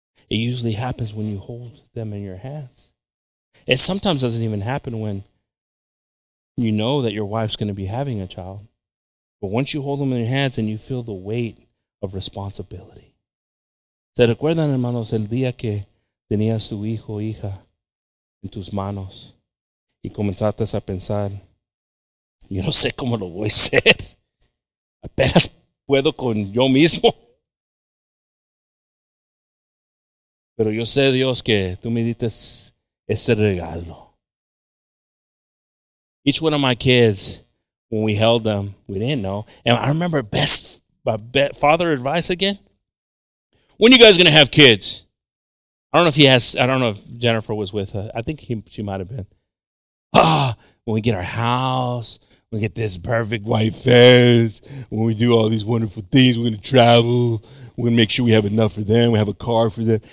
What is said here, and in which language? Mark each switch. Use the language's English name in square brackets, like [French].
[English] It usually happens when you hold them in your hands. It sometimes doesn't even happen when you know that your wife's going to be having a child. But once you hold them in your hands and you feel the weight of responsibility. [Spanish] ¿Se recuerdan, hermanos, el día que tenías tu hijo o hija en tus manos y comenzaste a pensar, yo no sé cómo lo voy a hacer? Apenas puedo con yo mismo. Pero yo sé, Dios, que tú me diste ese regalo. [English] Each one of my kids, when we held them, we didn't know. And I remember father advice again. When are you guys going to have kids? I don't know if Jennifer was with her. I think she might have been. When we get our house, when we get this perfect white fence, when we do all these wonderful things, we're going to travel, we're going to make sure we have enough for them, we have a car for them.